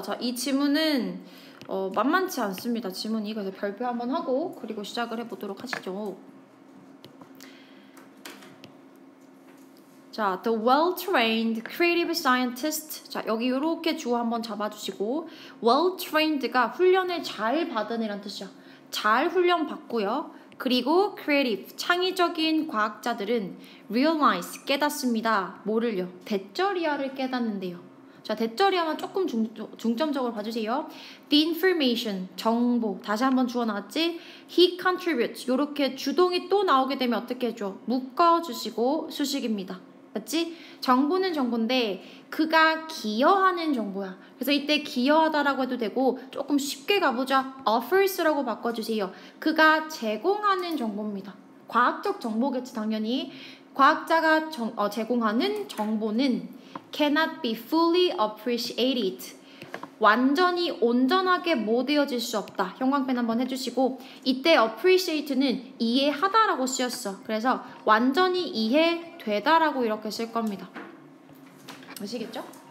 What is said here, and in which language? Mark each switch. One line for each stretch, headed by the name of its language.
Korean: 자, 이 질문은 만만치 않습니다. 질문 이거에서 별표 한번 하고 그리고 시작을 해보도록 하시죠.
English: 자, the well-trained creative scientist.
Korean: 자, 여기 이렇게 주어 한번 잡아주시고, well-trained가 훈련을 잘 받은 이란 뜻이야. 잘 훈련 받고요. 그리고 creative, 창의적인 과학자들은 realize, 깨닫습니다. 뭐를요? 대쩌리아를 깨닫는데요. 자, 대쩌리아만 조금 중점적으로 봐주세요.
English: The information,
Korean: 정보, 다시 한번 주어 나왔지?
English: He contributes,
Korean: 이렇게 주동이 또 나오게 되면 어떻게 해줘? 묶어주시고 수식입니다. 맞지? 정보는 정보인데 그가 기여하는 정보야. 그래서 이때 기여하다라고 해도 되고 조금 쉽게 가보자. offers라고 바꿔주세요. 그가 제공하는 정보입니다. 과학적 정보겠지 당연히. 과학자가 제공하는 정보는
English: cannot be fully appreciated.
Korean: 완전히 온전하게 못되어질 수 없다. 형광펜 한번 해주시고 이때 appreciate는 이해하다라고 쓰였어. 그래서 완전히 이해되다라고 이렇게 쓸 겁니다. 아시겠죠?